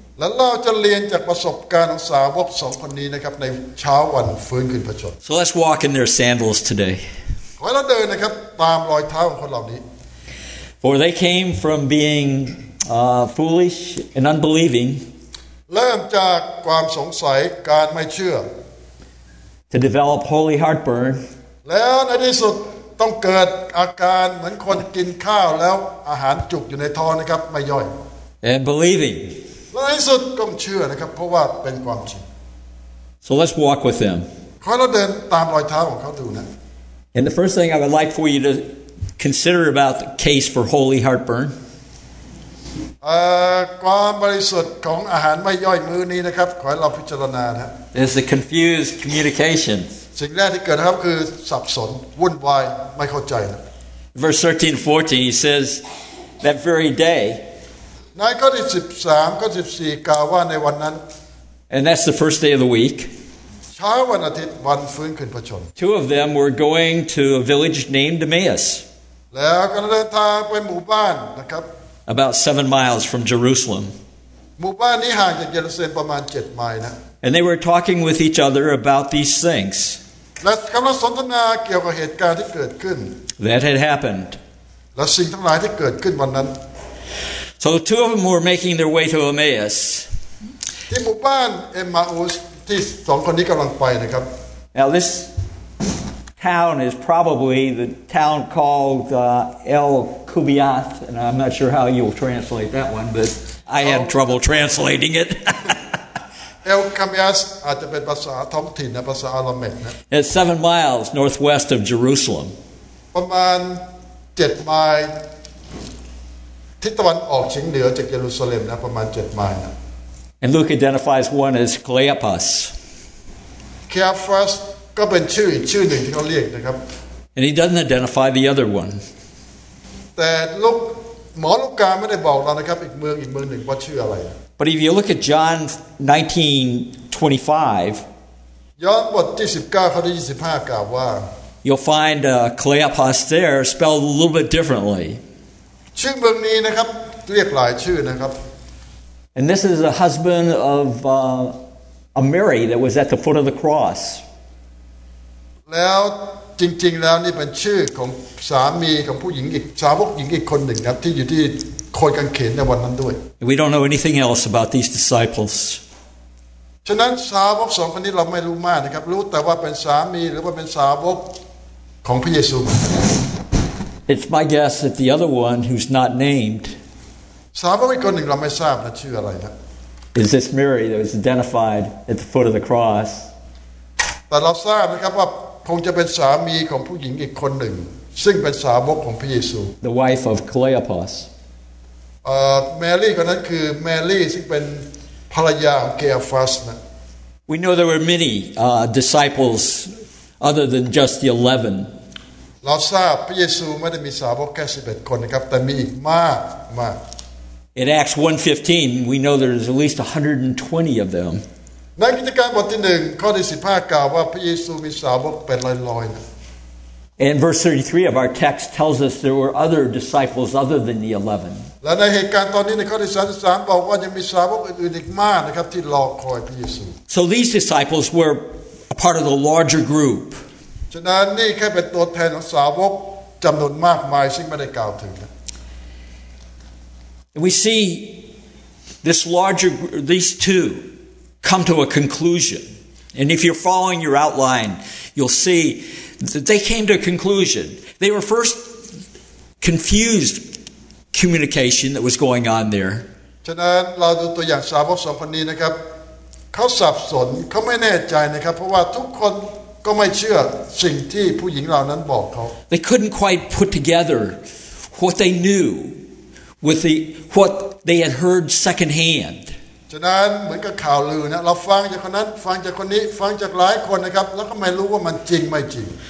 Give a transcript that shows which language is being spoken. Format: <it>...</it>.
<th>แล้วเราจะเรียนจากประสบการณ์ของสาวก2คนนี้นะครับในเช้าวันฟื้นคืนพระชน</th> <en>So let's walk in their sandals today</en> <th>เราเดินนะครับตามรอยเท้าของคนเหล่านี้</th> <en>For they came from being foolish and unbelieving</en> <th>เริ่มจากความสงสัยการไม่เชื่อ</th> <en>To develop holy heartburn</en> <th>แล้วในที่สุดต้องเกิดอาการเหมือนคนกินข้าวแล้วอาหารจุกอยู่ในท้องนะครับไม่ย่อย</th> <en>And believing</en> <th>ในที่สุดต้องเชื่อนะครับเพราะว่าเป็นความจริง</th> <en>So let's walk with them</en> <th>เราเดินตามรอยเท้าของเขาดูนะ</th> <en>And the first thing I would like for you to consider about the case for holy heartburn.</en> <th>ความบริสุทธิ์ของอาหารไม่ย่อยมื้อนี้นะครับขอให้เราพิจารณานะ</th> <en>It's a confused communication.</en> <th>สิ่งแรกที่เกิดครับคือสับสนวุ่นวายไม่เข้าใจนะ</th> <en>Verse 13 14 he says that very day.</en> <th>ในข้อที่13ข้อ14กล่าวว่าในวันนั้น</th> <en>And that's the first day of the week.</en> <th>เช้าวันอาทิตย์วันฟื้นคืนพระชน</th> <en>Two of them were going to a village named Emmaus.</en> <th>แล้วก็เดินทางไปหมู่บ้านนะครับ</th> <en>About 7 miles from Jerusalem.</en> <th>หมู่บ้านนี้ห่างจากเยรูซาเล็มประมาณ7 ไมล์นะ</th> <en>And they were talking with each other about these things.</en> <th>และกำลังสนทนาเกี่ยวกับเหตุการณ์ที่เกิดขึ้น</th> <en>That had happened.</en> <th>และสิ่งทั้งหลายที่เกิดขึ้นวันนั้น</th> <en>So two of them were making their way to Emmaus.</en> <th>ที่หมู่บ้านเอมมาอุสที่สองคนนี้กำลังไปนะครับ</th> <en>Now this town is probably the town called El Kubiath and I'm not sure how you'll translate that one but I had trouble translating it</en> <th>El Kubiath อาจจะเป็นภาษาท้องถิ่นนะภาษาอารามิกนะ</th> <en>It's 7 miles northwest of Jerusalem</en> <th>ประมาณ7 ไมล์ทิศตะวันออกเฉียงเหนือจากเยรูซาเล็มนะประมาณ7 ไมล์นะ</th> <en>And Luke identifies one as Cleopas.</en> <th>Cleopas ก็เป็นชื่ออีกชื่อหนึ่งที่เขาเรียกนะครับ</th> <en>And he doesn't identify the other one.</en> <th>แต่ลูกหมอลูกกาไม่ได้บอกเรานะครับอีกเมืองหนึ่งว่าชื่ออะไร</th> <en>But if you look at John 19:25,</en> <th>ย้อนบทที่19ข้อที่25กล่าวว่า</th> <en>You'll find Cleopas there spelled a little bit differently.</en> <th>ชื่อเมืองนี้นะครับเรียกหลายชื่อนะครับ</th> <en>And this is a husband of a Mary that was at the foot of the cross.</en> <th>แล้วจริงๆแล้วนี่เป็นชื่อของสามีของผู้หญิงอีกสาวกหญิงอีกคนหนึ่งครับที่อยู่ที่โคนกางเขนในวันนั้นด้วย</th> <en>We don't know anything else about these disciples.</en> <th>ฉะนั้นสาวกสองคนนี้เราไม่รู้มากนะครับรู้แต่ว่าเป็นสามีหรือว่าเป็นสาวกของพระเยซู</th> <en>It's my guess that the other one who's not named</en> <th>สาวกอีกคนหนึ่งเราไม่ทราบนะชื่ออะไรนะ</th> <en>Is this Mary that was identified at the foot of the cross?</en> <th>แต่เราทราบนะครับว่าคงจะเป็นสามีของผู้หญิงอีกคนหนึ่ง ซึ่งเป็นสาวกของพระเยซู</th> <en>The wife of Cleopas</en> <th>Mary คนนั้นคือ Mary ซึ่งเป็นภรรยาของ Cleopas นะ</th> <en>We know there were many disciples other than just the 11</en> <th>เราทราบพระเยซูไม่ได้มีสาวกแค่11คนนะครับแต่มีอีกมากมาก</th> <en>In Acts 1:15 we know there is at least 120 of them</en> <th>ในกิจการบทที่1ข้อที่15กล่าวว่าพระเยซูมีสาวกเป็นร้อยๆนะ</th> <en>And verse 33 of our text tells us there were other disciples other than the 11</en> <th>และในเหตุการณ์ตอนนี้ในข้อที่33บอกว่ายังมีสาวกอื่นอีกมากนะครับที่รอคอยพระเยซู</th> <en>So these disciples were a part of the larger group</en> <th>ฉะนั้นนี่แค่เป็นตัวแทนของสาวกจำนวนมากมายซึ่งไม่ได้กล่าวถึง</th> <en>We see this larger these two come to a conclusion, and if you're following your outline, you'll see that they came to a conclusion. They were first confused communication that was going on there.</en> <th>ฉะนั้นเราดูตัวอย่างสาวกสองคนนี้นะครับเขาสับสนเขาไม่แน่ใจนะครับเพราะว่าทุกคนก็ไม่เชื่อสิ่งที่ผู้หญิงเหล่านั้นบอกเขา</th> <en>They couldn't quite put together what they knew with the what they had heard second hand</en> <th>ฉะนั้นเหมือนกับข่าวลือนะเราฟังจากคนนั้นฟังจากคนนี้ฟังจากหลายคนนะครับแล้วก็ไม่รู้ว่ามันจริงไม่จริง</th>